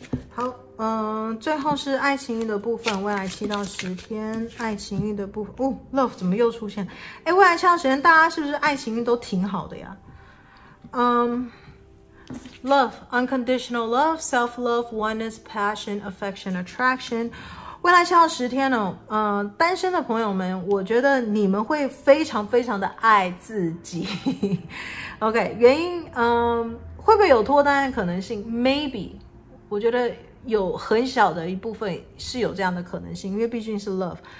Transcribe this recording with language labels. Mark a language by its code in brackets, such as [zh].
[zh] 好，最后是爱情运的部分，未来七到十天爱情运的部分，哦 ，love 怎么又出现？未来七到十天，大家是不是爱情运都挺好的呀？ [en] Love, unconditional love, self-love, oneness, passion, affection, attraction. [zh] 未来七号十天呢、单身的朋友们，我觉得你们会非常非常的爱自己。 OK， 原因，会不会有脱单的可能性 ？Maybe， 我觉得有很小的一部分是有这样的可能性，因为毕竟是 love。